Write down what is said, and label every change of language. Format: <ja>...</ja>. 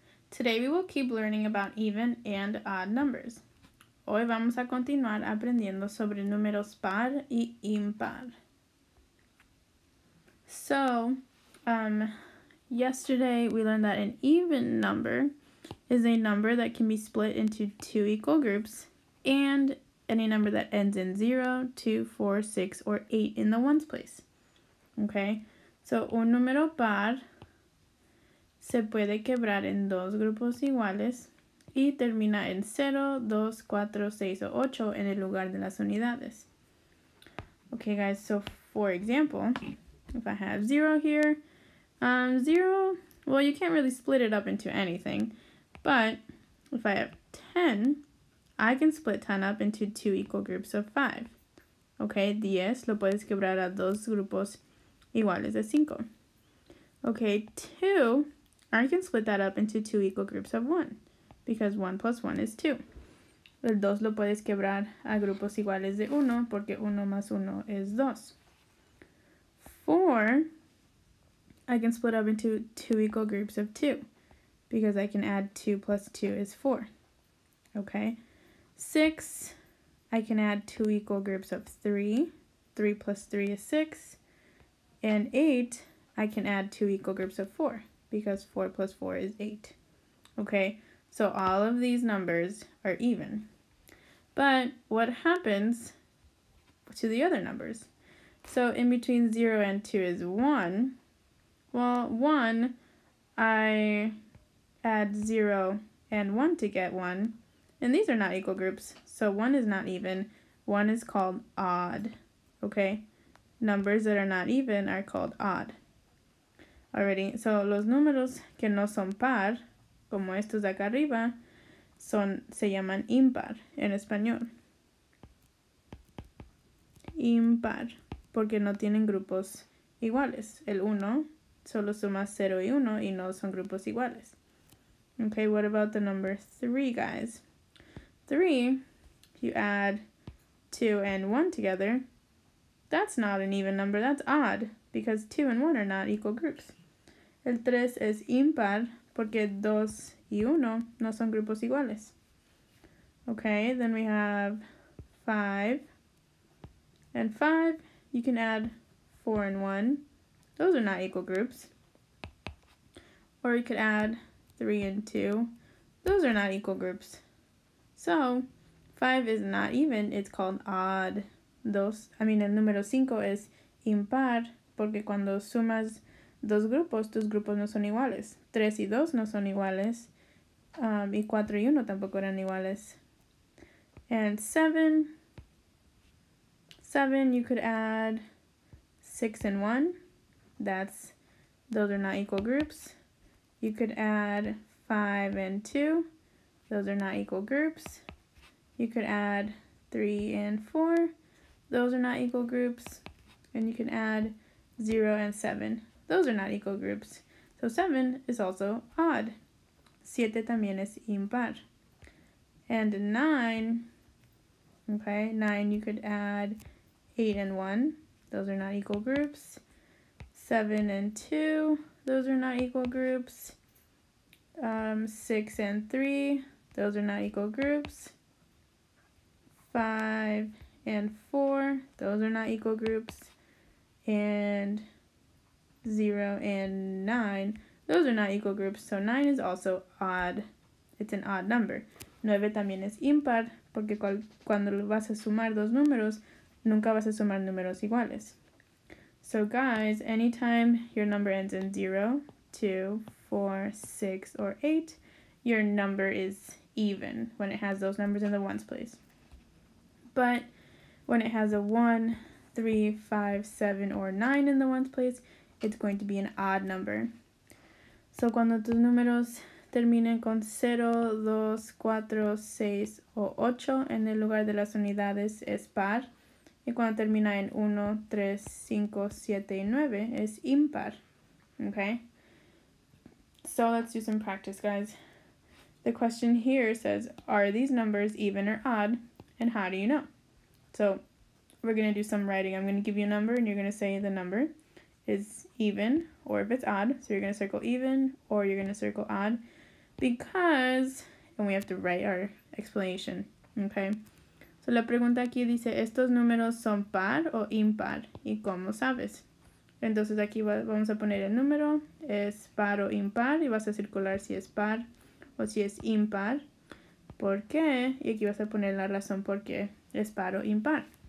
<en>Today we will keep learning about even and odd numbers.</en> <es>Hoy vamos a continuar aprendiendo sobre números par y impar.</es> <en>So, yesterday we learned that an even number is a number that can be split into two equal groups and any number that ends in 0, 2, 4, 6, or 8 in the ones place. Okay?</en> <es>So, un número par se puede quebrar en dos grupos iguales y termina en 0, 2, 4, 6, o 8 en el lugar de las unidades.</es> <en>Okay, guys, so for example, if I have 0 here, 0, well, you can't really split it up into anything. But if I have 10, I can split 10 up into two equal groups of 5.</en> <es>Okay, 10 lo puedes quebrar a dos grupos iguales a 5.</es> <en>Okay, 2, I can split that up into two equal groups of 1, because 1 plus 1 is 2.</en> <es>El 2 lo puedes quebrar a grupos iguales de 1, porque 1 más 1 es 2.</es> <en>4, I can split up into two equal groups of 2, because I can add 2 plus 2 is 4. Okay, 6, I can add two equal groups of 3, 3 plus 3 is 6. And 8, I can add two equal groups of 4, because 4 plus 4 is 8. Okay, so all of these numbers are even. But what happens to the other numbers? So in between 0 and 2 is 1. Well, 1, I add 0 and 1 to get 1. And these are not equal groups, so 1 is not even. 1 is called odd, okay? Numbers that are not even are called odd.</en> <es>Alrighty, so los números que no son par, como estos de acá arriba, se llaman impar en español. Impar, porque no tienen grupos iguales. El 1 solo suma 0 y 1 y no son grupos iguales.</es> <en>Okay, what about the number 3, guys? 3, if you add 2 and 1 together, that's not an even number, that's odd, because 2 and 1 are not equal groups.</en> <es>El 3 es impar, porque 2 y 1 no son grupos iguales.</es> <en>Okay, then we have 5. And 5, you can add 4 and 1. Those are not equal groups. Or you could add 3 and 2. Those are not equal groups. So, 5 is not even, it's called odd.</en> <es>El número 5 es impar, porque cuando sumas dos grupos, tus grupos no son iguales. 3 y 2 no son iguales, y 4 y 1 tampoco eran iguales.</es> <en>And 7, you could add 6 and 1, those are not equal groups. You could add 5 and 2, those are not equal groups. You could add 3 and 4. Those are not equal groups. And you can add 0 and 7. Those are not equal groups. So 7 is also odd.</en> <es>7 también es impar.</es> <en>And 9, okay, 9 you could add 8 and 1. Those are not equal groups. 7 and 2, those are not equal groups. 6 and 3, those are not equal groups. 5 and 4, those are not equal groups, and 0 and 9, those are not equal groups, so 9 is also odd, it's an odd number.</en> <es>9 también es impar, porque cuando vas a sumar dos números, nunca vas a sumar números iguales.</es> <en>So guys, anytime your number ends in 0, 2, 4, 6, or 8, your number is even when it has those numbers in the ones place. But when it has a 1, 3, 5, 7, or 9 in the ones place, it's going to be an odd number.</en> <es>So cuando tus números terminen con 0, 2, 4, 6, o 8 en el lugar de las unidades es par. Y cuando termina en 1, 3, 5, 7, y 9 es impar. Okay?</es> <en>So let's do some practice, guys. The question here says, are these numbers even or odd? And how do you know? So, we're going to do some writing. I'm going to give you a number, and you're going to say the number. is even or if it's odd. So you're going to circle even or you're going to circle odd because, and we have to write our explanation, okay?</en> <es>So la pregunta aquí dice, ¿estos números son par o impar? ¿Y cómo sabes? Entonces aquí vamos a poner el número, es par o impar, y vas a circular si es par o si es impar. ¿Por qué? Y aquí vas a poner la razón por qué es par o impar.</es>